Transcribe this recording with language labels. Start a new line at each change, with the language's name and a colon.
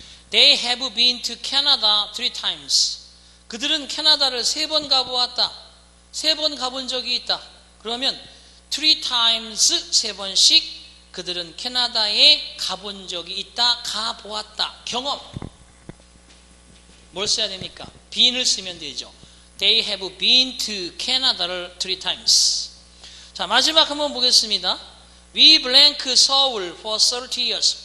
English: They have been to Canada 3 times.
Korean: 그들은 캐나다를 세 번 가보았다. 세 번 가본 적이 있다. 그러면 3 times 세 번씩 그들은 캐나다에 가본 적이 있다. 가보았다. 경험. 뭘 써야 됩니까? been을 쓰면 되죠.
English: They have been to Canada를 3 times.
Korean: 자, 마지막 한번 보겠습니다.
English: We blank Seoul for 30 years.